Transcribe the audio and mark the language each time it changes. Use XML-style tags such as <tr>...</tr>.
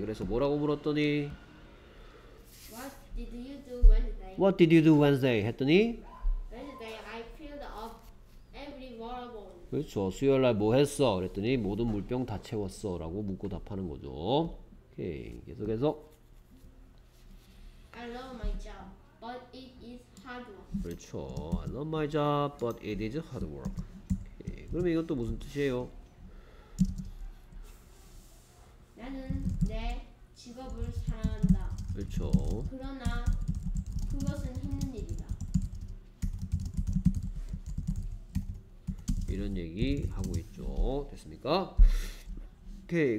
<ko>그래서 뭐라고 물었더니?</ko> <en>What did you do Wednesday? What did you do Wednesday? 했더니? Wednesday I filled up every water bottle.</en> <ko>그렇죠. 수요일 날 뭐 했어? 그랬더니 모든 물병 다 채웠어. 라고 묻고 답하는 거죠. 오케이. 계속해서</ko> <en>I love my job, but it is hard work.</en> <ko>그렇죠.</ko> <en>I love my job, but it is hard work.</en> <ko>오케이. 그러면 이것도 무슨 뜻이에요? 나는 내 직업을 사랑한다. 그렇죠. 그러나 그것은 힘든 일이다. 이런 얘기 하고 있죠. 됐습니까? 오케이.</ko>